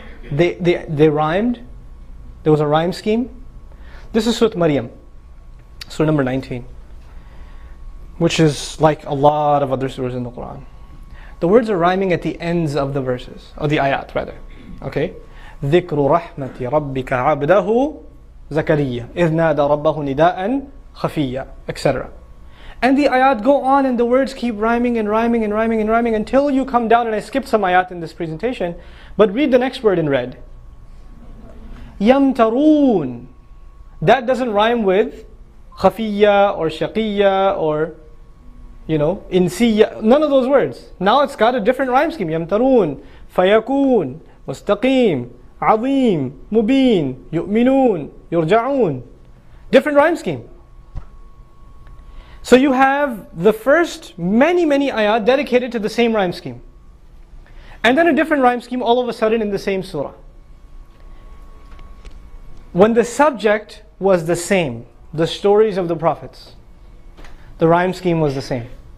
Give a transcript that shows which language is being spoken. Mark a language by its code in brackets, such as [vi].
[en] They rhymed. There was a rhyme scheme. This is Surah Maryam, Surah number 19, which is like a lot of other surahs in the Quran. The words are rhyming at the ends of the verses, or the ayat rather. Okay. [ar] ذكر رحمة ربك عبده زكريا إذ نادى ربه نداء خفيا, etc. [en] And the ayat go on and the words keep rhyming and rhyming and rhyming and rhyming until you come down, and I skipped some ayat in this presentation, but read the next word in red. [ar] يمترون. [en] That doesn't rhyme with خفيا or شقيا or, you know, إنسيا. None of those words. Now it's got a different rhyme scheme. [ar] يمترون, فيكون, مستقيم, عظيم, مبين, يؤمنون, يرجعون. [en] Different rhyme scheme. So you have the first many, many ayat dedicated to the same rhyme scheme. And then a different rhyme scheme all of a sudden in the same surah. When the subject was the same, the stories of the prophets, the rhyme scheme was the same.